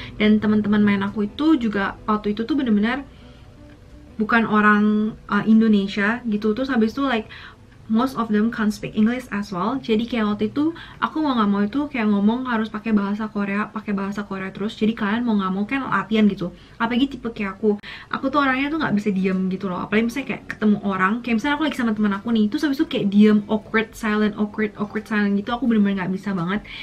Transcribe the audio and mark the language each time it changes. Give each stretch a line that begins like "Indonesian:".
Indonesian: Dan teman-teman main aku itu juga waktu itu tuh benar-benar bukan orang Indonesia gitu. Terus habis itu
English: like most of them can't speak English as well.
Indonesian: Jadi kayak waktu itu aku mau gak mau itu kayak ngomong harus pakai bahasa Korea terus. Jadi kalian mau gak mau kan latihan gitu. Apalagi tipe kayak aku tuh orangnya tuh gak bisa diem gitu loh. Apalagi misalnya kayak ketemu orang, kayak misalnya aku lagi sama teman aku nih, terus habis itu kayak diem, awkward, silent gitu, aku bener-bener gak bisa banget.